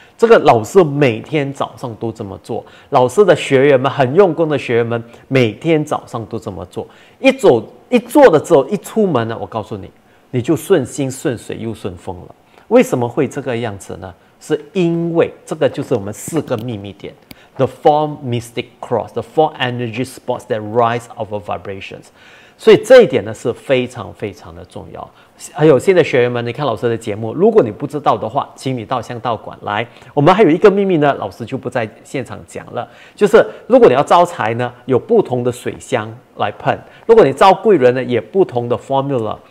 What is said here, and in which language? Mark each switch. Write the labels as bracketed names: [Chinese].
[Chinese] 这个老师每天早上都这么做，老师的学员们，很用功的学员们，每天早上都这么做。一出门呢，我告诉你，你就顺心顺水又顺风了。为什么会这个样子呢？是因为这个就是我们四个秘密点。 [English] The four mystic cross, the four energy spots that rise of our vibrations. [Chinese] 所以这一点呢是非常非常的重要。还有现在学员们，你看老师的节目，如果你不知道的话，请你到香道馆来。我们还有一个秘密呢，老师就不在现场讲了，就是如果你要招财呢，有不同的水箱来喷；如果你招贵人呢，也不同的 formula。